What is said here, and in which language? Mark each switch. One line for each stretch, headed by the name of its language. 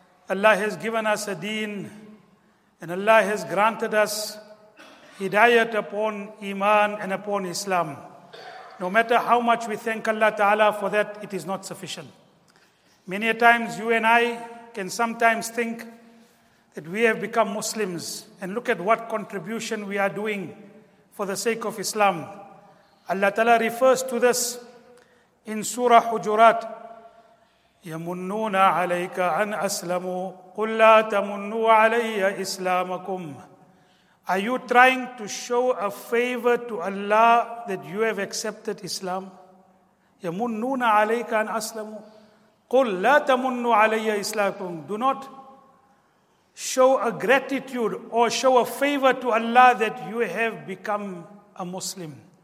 English: Allah has given us a deen, and Allah has granted us hidayat upon iman and upon Islam. No matter how much we thank Allah ta'ala for that, it is not sufficient. Many a times you and I can sometimes think that we have become Muslims, and look at what contribution we are doing for the sake of Islam. Allah ta'ala refers to this in Surah Hujurat,
Arabic: يَمُنُّونَ عَلَيْكَ أَنْ أَسْلَمُوا قُلْ لَا تَمُنُّوا عَلَيَّ إِسْلَامَكُمْ.
English: Are you trying to show a favor to Allah that you have accepted Islam?
Arabic: يَمُنُّونَ عَلَيْكَ أَنْ أَسْلَمُوا قُلْ لَا تَمُنُّوا عَلَيَّ إِسْلَامَكُمْ.
English: Do not show a gratitude or show a favor to Allah that you have become a Muslim.